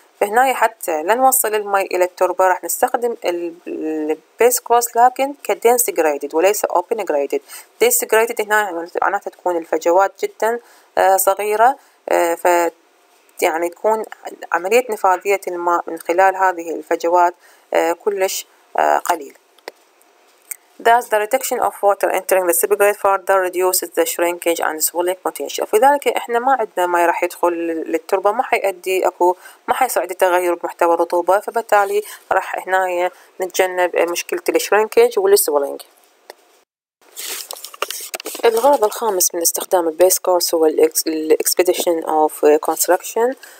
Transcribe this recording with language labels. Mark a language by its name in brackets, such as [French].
[Arabic] فهنا حتى لنوصل الماء إلى التربة راح نستخدم البيس كورس لكن كدنس جريدد وليس أوبن جريدد. دنس جريدد هنا معناتها تكون الفجوات جدا صغيرة، ف يعني تكون عملية نفاذية الماء من خلال هذه الفجوات كلش قليل. [English] Thus the reduction of water entering the subgrade further reduces the shrinkage and swelling potential. [Arabic] فذلك احنا ما عندنا ماء راح يدخل للتربة، ما حيؤدي اكو ما حيساعد التغير بمحتوى الرطوبة، فبالتالي راح هنا نتجنب مشكلة الشرينكج والسولينج. الغرض الخامس من استخدام البيس كورس هو الاكسبيديشن اوف كونستراكشن.